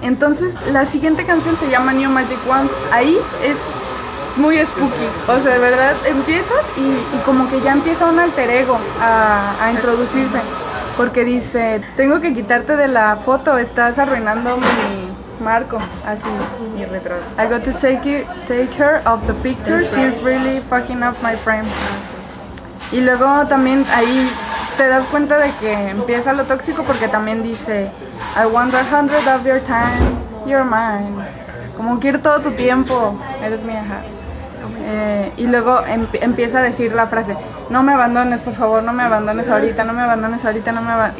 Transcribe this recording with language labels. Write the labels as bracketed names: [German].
[Spanish] Entonces, la siguiente canción se llama New Magic Wand. Ahí es... Es muy spooky, o sea, de verdad, empiezas y como que ya empieza un alter ego a introducirse, porque dice, tengo que quitarte de la foto, estás arruinando mi marco, así, mi retrato. [English] I got to take her off the picture, she's really fucking up my frame. [Spanish] Y luego también ahí te das cuenta de que empieza lo tóxico, porque también dice, [English] I want 100 of your time, you're mine. [Spanish] Como quiero todo tu tiempo, eres mi hija. Y luego empieza a decir la frase, no me abandones, por favor, no me abandones ahorita, no me abandones ahorita, no me abandones.